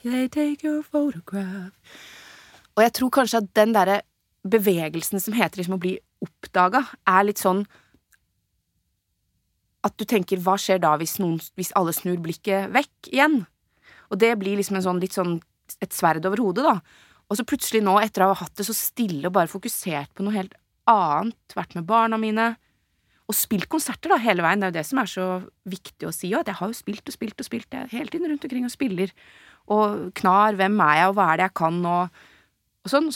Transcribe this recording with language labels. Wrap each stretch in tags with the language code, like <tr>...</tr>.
<en>They take your photograph.</en> <no>Og jeg tror kanskje at den der bevegelsen som heter liksom å bli oppdaget, litt sånn, at du tenker, hva skjer da hvis alle snur blikket vekk igjen? Og det blir liksom en sånn, litt sånn et sverd over hodet da. Og så plutselig nå, etter å ha hatt det så stille og bare fokusert på noe helt annet, vært med barna mine, og spilt konserter da hele veien, det jo det som så viktig å si, at jeg har jo spilt og spilt og spilt det hele tiden rundt omkring og spiller, og knar, hvem jeg, og hva det jeg kan, og sånn.</no>